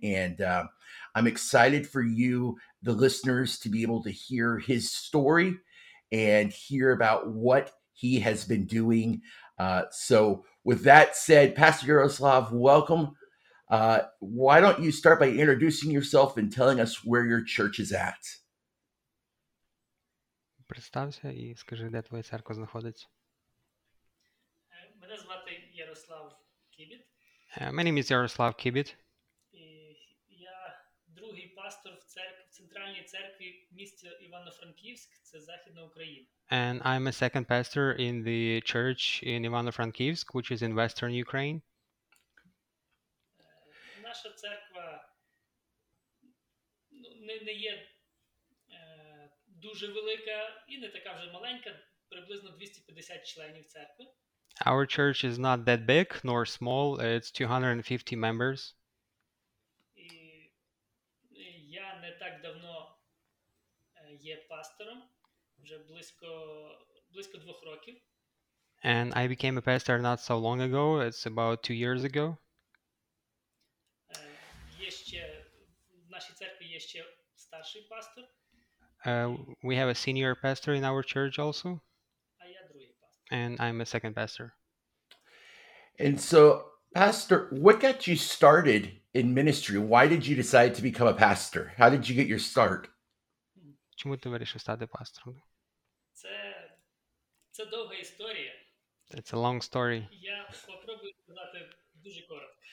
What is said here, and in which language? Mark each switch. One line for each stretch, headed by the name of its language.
English: And I'm excited for you, the listeners, to be able to hear his story and hear about what he has been doing. So with that said, Pastor Iaroslav, welcome. Why don't you start by introducing yourself and telling us where your church is at?
Ukrainian: Представся і скажи, де твоя церква знаходиться. Мене звати Iaroslav Kibit.
English: My name is Iaroslav Kibit.
Ukrainian: Я другий пастор в церкві, в центральній церкві в місті Ivano-Frankivsk, це Західна Україна.
English: And I'm a second pastor in the church in Ivano-Frankivsk, which is in Western Ukraine.
Ukrainian: Наша церква не є дуже велика і не така вже маленька, приблизно 250 членів церкви.
English: Our church is not that big nor small, it's 250 members.
Ukrainian: І я не так давно є пастором. Вже близько 2 років.
English: And I became a pastor not so long ago, it's about 2 years ago.
Ukrainian: Є ще в нашій церкві є ще старший пастор.
English: We have a senior pastor in our church also.
Ukrainian: А я другий пастор.
English: And I'm a second pastor. And so, pastor, what got you started in ministry? Why did you decide to become a pastor? How did you get your start?
Ukrainian: Чому ти вирішив стати пастором? Це довга історія.
English: It's a long story.
Ukrainian: Я спробую сказати дуже коротко.